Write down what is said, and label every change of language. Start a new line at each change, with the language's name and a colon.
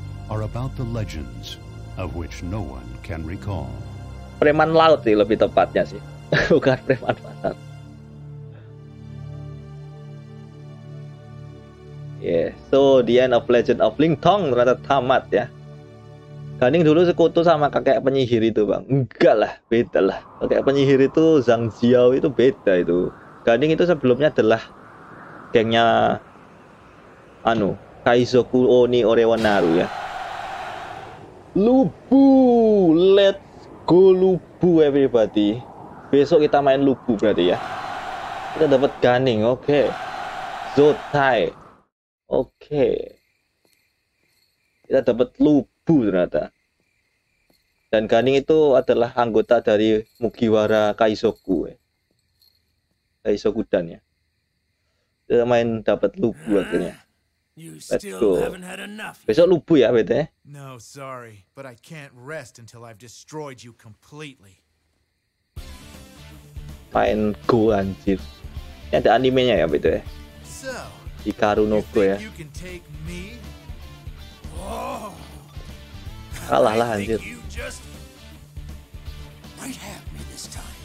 English: are about the legends of which no one can recall.
Indonesian: Preman laut sih lebih tepatnya sih, bukan preman pasar.
English: Yeah, so the end of Legend of Ling Tong
Indonesian: ternyata tamat ya. Ganing dulu sekutu sama kakek penyihir itu bang. Enggak lah, beda lah. Kakek penyihir itu Zhang Xiao itu beda itu. Ganing itu sebelumnya adalah gengnya anu Kaizoku Oni Orewanaru ya.
English: Lubu, let's go Lubu everybody.
Indonesian: Besok kita main Lubu berarti ya. Kita dapat Ganing, oke. Okay. Zotai. Oke. Okay. Kita dapat Lubu ternyata. Dan Ganing itu adalah anggota dari Mugiwara Kaizoku. Kaizoku dan ya. Kita main dapat Lubu akhirnya.
English: Let's go.
Indonesian: Besok Lubu ya, bete.
English: No, sorry, but I can't rest until I've destroyed you completely.
Indonesian: Main go anjir. Ini ada animenya ya, bete.
English: So,
Indonesian: Hikaru no Go ya.
English: You can take me?
Indonesian: Oh. Kalah lah anjir.
English: You just might have me this time.